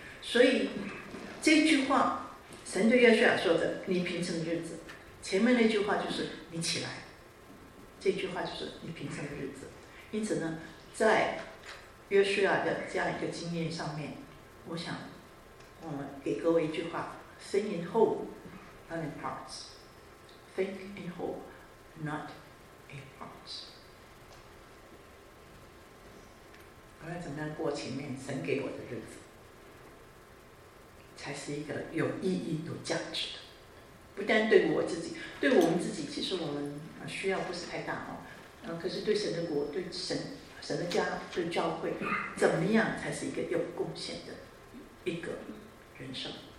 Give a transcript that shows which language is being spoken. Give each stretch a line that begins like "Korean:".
Chinese: 所以这句话神对约书亚说的，你平生的日子，前面那句话就是你起来，这句话就是你平生的日子。因此呢，在约书亚的这样一个经验上面，我想我们给各位一句话，
English: Think in whole, not in parts. Think in whole, not in parts.
Chinese: 我要怎么样过前面神给我的日子，才是一个有意义有价值的。不但对我自己，对我们自己，其实我们需要不是太大哦。可是对神的国，对神的家，对教会，怎么样才是一个有贡献的一个人生。